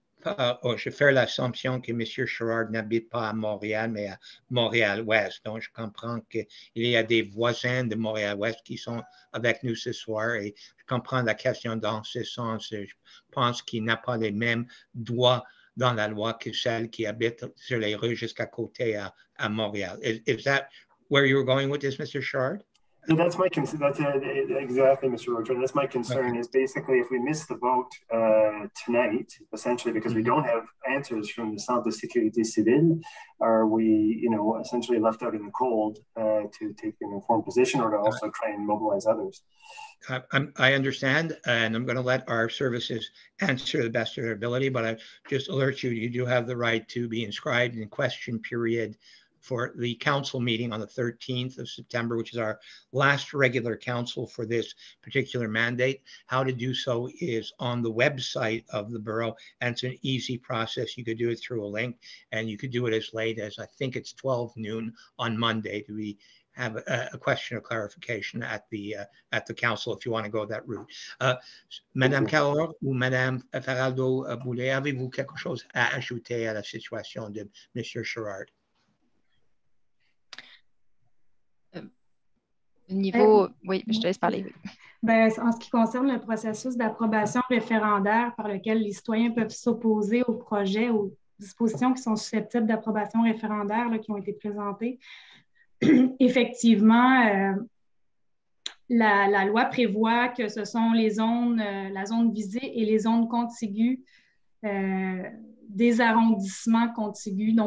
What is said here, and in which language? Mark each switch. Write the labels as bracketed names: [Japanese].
[French] Je fais l'assumption que M. Chouard n'habite pas à Montréal, mais à Montréal-Ouest. Donc, je comprends qu'il y a des voisins de Montréal-Ouest qui sont avec nous ce soir et je comprends la question dans ce sens. Je pense qu'il n'a pas les mêmes droits dans la loi que celle qui habite sur les rues jusqu'à côté à Montréal. [English] Is that where you're going with this, Mr. Chouard? So that's my concern. Exactly, Mr. Roger. That's my concern. Is basically if we miss the vote tonight, essentially because we don't have answers from the Centre de Sécurité Civile, are we, you know, essentially left out in the cold to take an informed position or to also try and mobilize others? I understand, and I'm going to let our services answer the best of their ability. But I just alert you: you do have the right to be inscribed in question period for the council meeting on the 13th of September, which is our last regular council for this particular mandate. How to do so is on the website of the borough, and it's an easy process. You could do it through a link, and you could do it as late as, I think it's 12 noon on Monday. Do we have a question or clarification at the council if you want to go that route? [French] Madame Cahor ou Madame Faraldo-Boulay, avez-vous quelque chose à ajouter à la situation de Monsieur Chouard? Niveau, oui, je te laisse parler. Oui. Ben, en ce qui concerne le processus d'approbation référendaire par lequel les citoyens peuvent s'opposer aux projets, aux dispositions qui sont susceptibles d'approbation référendaire là, qui ont été présentées, effectivement, la loi prévoit que ce sont les zones, la zone visée et les zones contiguës des arrondissements contiguës.